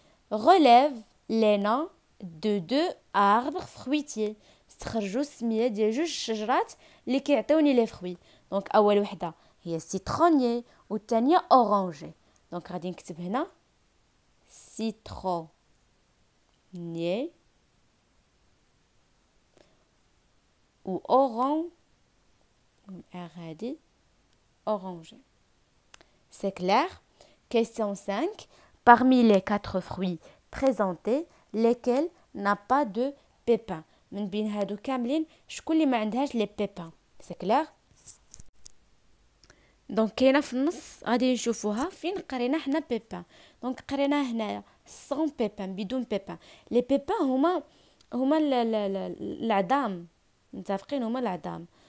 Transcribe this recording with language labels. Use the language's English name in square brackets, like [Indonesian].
[French] Relève les noms de deux arbres fruitiers. [Arabic] Tخرجوا السميه ديال جوج شجرات اللي كيعطيوني [French] لي فروي. [Arabic] دونك اول وحده هي سيترونيي والثانيه اورانجي. دونك غادي نكتب هنا سيترونيي و اورون غادي اورانجي. [French] سي كلير؟ كيسيون 5. Parmi les quatre fruits présentés, lesquels n'a pas de pépins? [Arabic] من بين هادو كاملين شكون اللي ما عندهاش لي بيبان؟ [French] سي كلير؟ [Arabic] دونك كاينه في النص، غادي نشوفوها فين قرينا حنا بيبان. دونك قرينا هنايا [French] سون بيبان، [Arabic] بدون بيبان. لي بيبان هما العظام، متفقين؟ هما العظام.